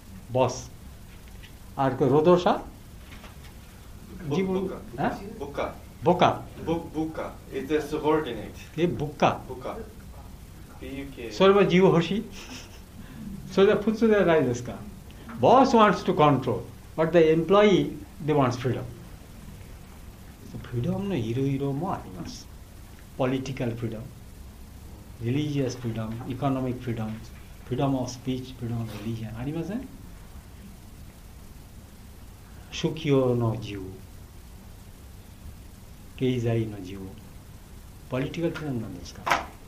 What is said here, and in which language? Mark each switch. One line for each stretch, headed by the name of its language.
Japanese: ボス。あれ、労働者？自分、部下。部下。部下。
English: It's a subordinate.
Japanese: 部下。部下。それは自由欲しい？それは普通ではないですか。
English: ボス wants to control, but the employee, they wants freedom. So freedom
Japanese: のいろいろもあります。
English: Political freedom, religious freedom, economic freedom, freedom of speech, freedom of religion.
Japanese: ありません？職業の自由、経済の自由、ポリティカルフリーダムなんですか？